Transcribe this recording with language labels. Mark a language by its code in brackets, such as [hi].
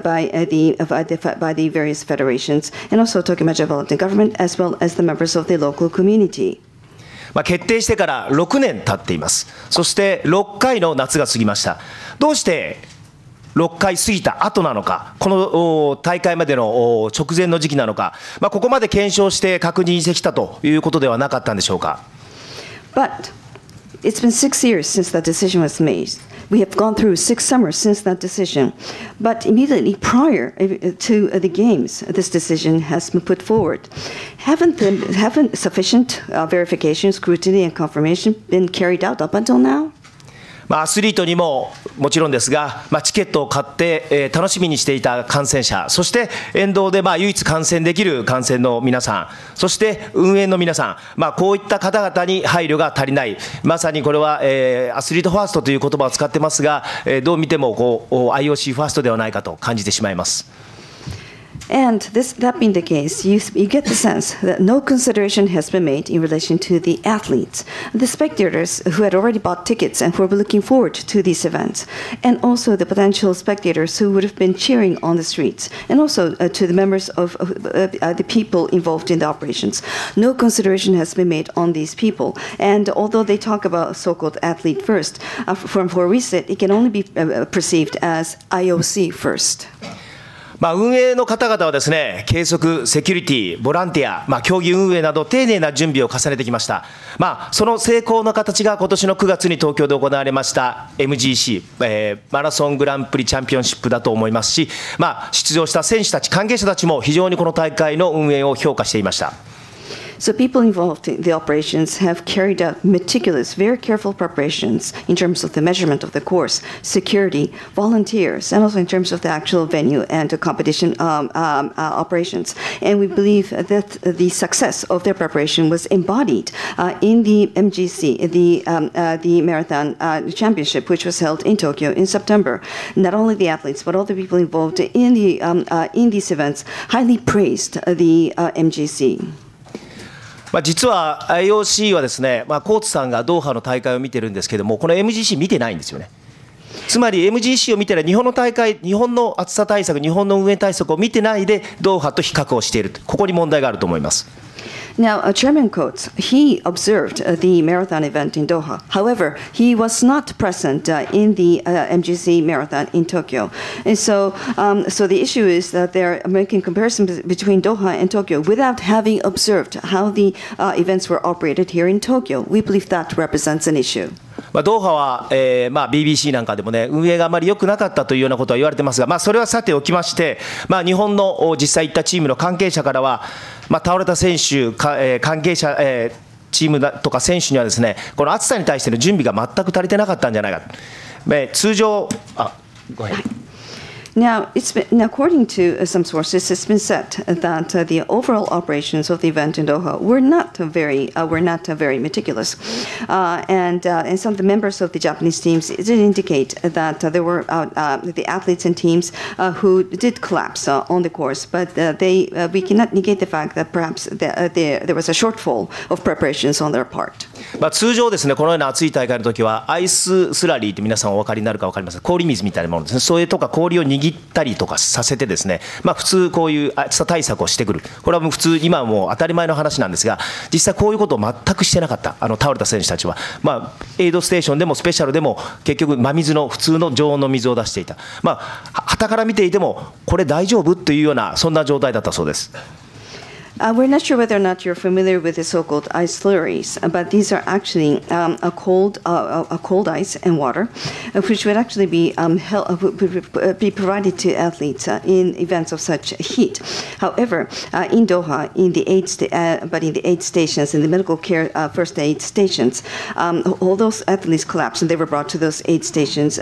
[en] By the various federations and also Tokyo Metropolitan Government as well as the members of the local community. [ja] まあ決定してから6年経っています。そして6回の夏が過ぎました。どうして6回過ぎた後なのか、この大会までの直前の時期なのか、まあここまで検証して確認してきたということではなかったんでしょうか。 [en] But it's been 6 years since that decision was made. We have gone through 6 summers since that decision, but immediately prior to the games, this decision has been put forward. Haven't sufficient verification, scrutiny, and confirmation been carried out up until now? [ja] まあ、アスリートにももちろんですが、まあ、チケットを買って、楽しみにしていた感染者、そして沿道で、まあ、唯一観戦できる観戦の皆さん、そして運営の皆さん、まあ、こういった方々に配慮が足りない、まさにこれは、アスリートファーストという言葉を使ってますが、どう見てもこう IOC ファーストではないかと感じてしまいます。 [en] And this, that being the case, you get the sense that no consideration has been made in relation to the athletes, the spectators who had already bought tickets and who were looking forward to these events, and also the potential spectators who would have been cheering on the streets, and also to the members of the people involved in the operations. No consideration has been made on these people. And although they talk about so-called athlete first, from where we sit, it can only be perceived as IOC first. [ja] まあ、運営の方々はですね、計測、セキュリティ、ボランティア、まあ、競技運営など丁寧な準備を重ねてきました、まあ、その成功の形が今年の9月に東京で行われました MGC、マラソングランプリチャンピオンシップだと思いますし、まあ、出場した選手たち、関係者たちも非常にこの大会の運営を評価していました。 [en] So people involved in the operations have carried out meticulous, very careful preparations in terms of the measurement of the course, security, volunteers, and also in terms of the actual venue and the competition operations. And we believe that the success of their preparation was embodied in the MGC, the marathon championship, which was held in Tokyo in September. Not only the athletes, but all the people involved in these events highly praised the MGC. [ja] まあ、実は IOC はですね、まあ、コーツさんがドーハの大会を見てるんですけども、この MGC 見てないんですよね。つまり MGC を見たら、日本の大会、日本の暑さ対策、日本の運営対策を見てないで、ドーハと比較をしている、ここに問題があると思います。 [en] Now, Chairman Coates, he observed the marathon event in Doha. However, he was not present in the MGC marathon in Tokyo. And so the issue is that they're making comparison between Doha and Tokyo without having observed how the events were operated here in Tokyo. We believe that represents an issue. [ja] まあ、ドーハは、まあ BBC なんかでもね、運営があまり良くなかったというようなことは言われてますが、まあ、それはさておきまして、まあ、日本の実際行ったチームの関係者からは、まあ、倒れた選手、関係者、チームだとか選手にはですね、この暑さに対しての準備が全く足りてなかったんじゃないか、通常、あ、ごめん。 [en] Now, it's been, according to some sources, it's been said that the overall operations of the event in Doha were not very meticulous. And some of the members of the Japanese teams did indicate that there were the athletes and teams who did collapse on the course. But we cannot negate the fact that perhaps there was a shortfall of preparations on their part. [ja] まあ、通常ですね、このような暑い大会の時は、アイススラリーって皆さんお分かりになるか分かりません、氷水みたいなものですね、それとか氷を握ったりとかさせてですね、まあ、普通こういう暑さ対策をしてくる、これはもう普通、今はもう当たり前の話なんですが、実際こういうことを全くしてなかった、あの倒れた選手たちは、まあ、エイドステーションでもスペシャルでも、結局、真水の普通の常温の水を出していた、まあ、はたから見ていても、これ大丈夫というような、そんな状態だったそうです。 [en] We're not sure whether or not you're familiar with the so-called ice slurries, but these are actually a cold ice and water, which would actually be provided to athletes in events of such heat. However, in Doha, in the aid stations, in the medical care first aid stations, all those athletes collapsed and they were brought to those aid stations.